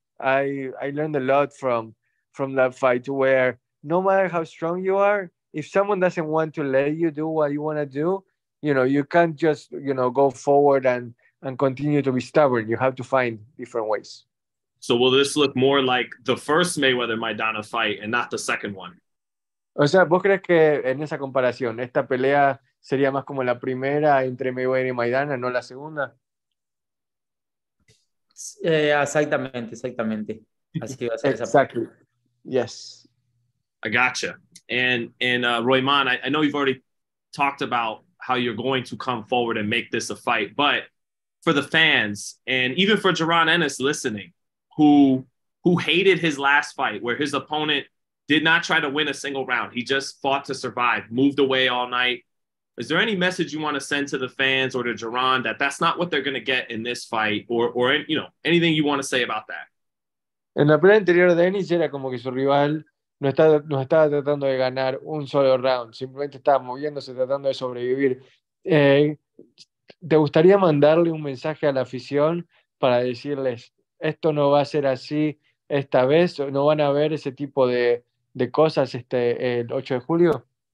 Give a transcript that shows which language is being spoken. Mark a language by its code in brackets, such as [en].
[en] I learned a lot from that fight, where no matter how strong you are, if someone doesn't want to let you do what you want to do, you know, you can't just, you know, go forward and continue to be stubborn. You have to find different ways. So will this look more like the first Mayweather-Maidana fight and not the second one? [es] O sea, ¿vos crees que en esa comparación esta pelea sería más como la primera entre Mayweather y Maidana, no la segunda? Exactamente. Así va a ser. [en] Exactly. Yes. I gotcha. And Roiman, I know you've already talked about how you're going to come forward and make this a fight, but for the fans, and even for Jaron Ennis listening, who hated his last fight, where his opponent did not try to win a single round, he just fought to survive, moved away all night. Is there any message you want to send to the fans or to Jaron that's not what they're going to get in this fight, or you know, anything you want to say about that? En la pelea anterior, Ennis era como que su rival no estaba tratando de ganar un solo round, simplemente estaba moviéndose, tratando de sobrevivir. ¿Te gustaría mandarle un mensaje a la afición para decirles, esto no va a ser así esta vez, no van a ver ese tipo de cosas el 8 de julio?